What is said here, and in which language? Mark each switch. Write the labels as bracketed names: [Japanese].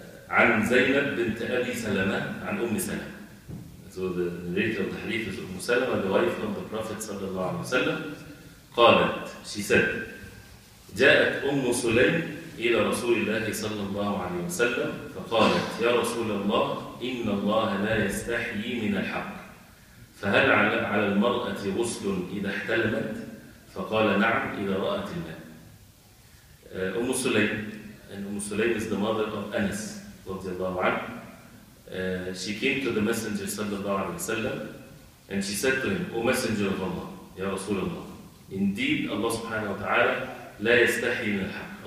[Arabic] عن زينب بنت أبي سلمة عن أم سلمة. [English] So the narrator of the hadith is Umm Salama, the wife of the Prophet صلى الله عليه وسلم. [Arabic] قالت, [English] she said, [Arabic] جاءت أم سليم إلى رسول الله صلى الله عليه وسلم فقالت يا رسول الله إن الله لا يستحي من الحق فهل على المرأة غسل إذا احتلمت؟ فقال نعم إذا رأت الماء. [English] أم سليم, and Umm Sulaym is the mother of Anas رضي الله عنه. She came to the Messenger صلى الله عليه وسلم and she said to him, O Messenger of Allah, [Arabic] يا رسول الله, [English] indeed Allah subhanahu wa ta'ala [Arabic] لا يستحي من الحق.